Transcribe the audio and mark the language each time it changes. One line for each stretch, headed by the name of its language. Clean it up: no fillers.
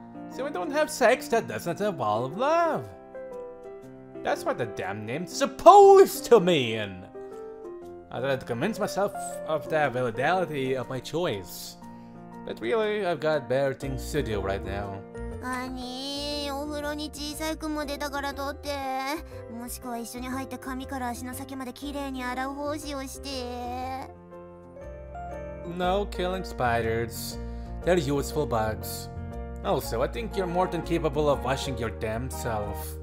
English: So we don't have sex that doesn't involve love. That's what the damn name's supposed to mean. I thought I'd convince myself of the validity of my choice. But really, I've got better things to do right now. Honey,
Japanese: お風呂に小さいくんも出たから取って。もしくは一緒に入って髪から足の先まで綺麗に洗う方針をして。
English: No killing spiders. They're useful bugs. Also, I think you're more than capable of washing your damn self.